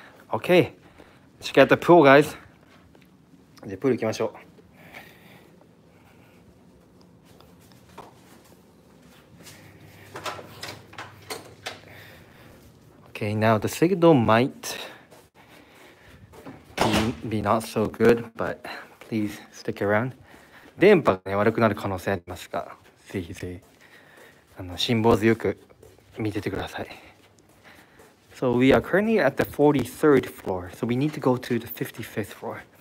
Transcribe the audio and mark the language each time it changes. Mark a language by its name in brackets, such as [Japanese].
[Japanese] OK。 しっかりやったプール、guys。で、プール行きましょう。 [English] OK、now the signal might. Be not so good, but please stick around. [Japanese] 電波が、ね、悪くなる可能性ありますが、ぜひぜひ辛抱強く見ててください。 [English] So we are currently at the 43rd floor, so we need to go to the 55th floor.